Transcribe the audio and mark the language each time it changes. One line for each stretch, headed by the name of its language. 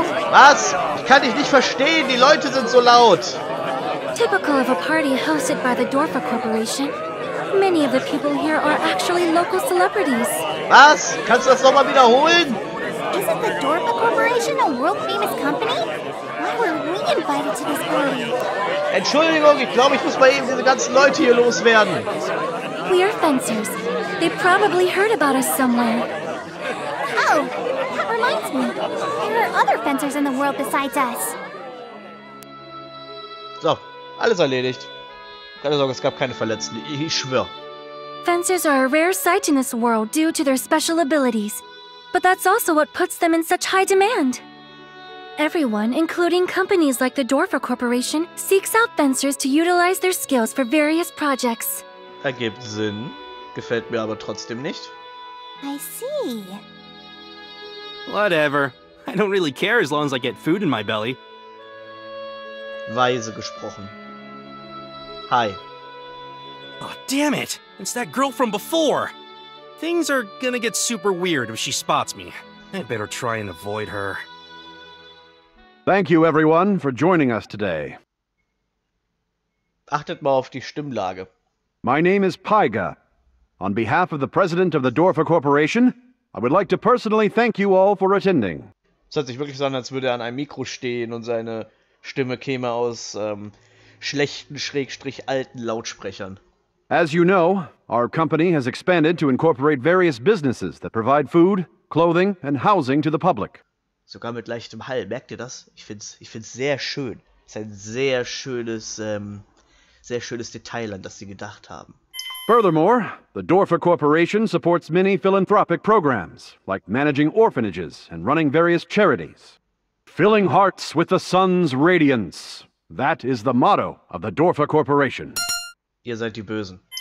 German: Was? Ich kann dich nicht verstehen, die Leute sind so laut.
English: Typical of a party hosted by the Dorfer Corporation. Many of the people here are actually local celebrities.
German: Was? Kannst du das nochmal wiederholen?
English: Isn't the Dorfer Corporation a world-famous company? Why were we invited to this party?
German: Entschuldigung, ich glaube, ich muss mal eben diese ganzen Leute hier loswerden.
English: We are fencers. They probably heard about us somewhere. Oh, that reminds me. There are other fencers in the world besides us.
German: So, alles erledigt. Keine Sorge, es gab keine Verletzten, ich schwöre.
English: Fencers are a rare sight in this world due to their special abilities. But that's also what puts them in such high demand. Everyone, including companies like the Dorfer Corporation, seeks out fencers to utilize their skills for various projects.
German: Ergibt Sinn, gefällt mir aber trotzdem nicht.
English: I see. Whatever. I don't really care as long as I get food in my belly.
German: Weise gesprochen. Hi.
English: Oh, damn it! It's that girl from before! Things are gonna get super weird if she spots me. I'd better try and avoid her. Thank you, everyone, for joining us today.
German: Achtet mal auf die Stimmlage.
English: My name is Paiga. On behalf of the president of the Dorfer Corporation, I would like to personally thank you all for attending.
German: Es hört sich wirklich so an, als würde er an einem Mikro stehen und seine Stimme käme aus, schlechten, schrägstrich alten Lautsprechern.
English: As you know, our company has expanded to incorporate various businesses that provide food, clothing and housing to the public.
German: Sogar mit leichtem Hall, merkt ihr das? Ich find's sehr schön. Es ist ein sehr schönes Detail, an das sie gedacht haben.
English: Furthermore, the Dorfer Corporation supports many philanthropic programs, like managing orphanages and running various charities. Filling hearts with the sun's radiance. That is the motto of the Dorfer Corporation.
German: Ihr seid die Bösen.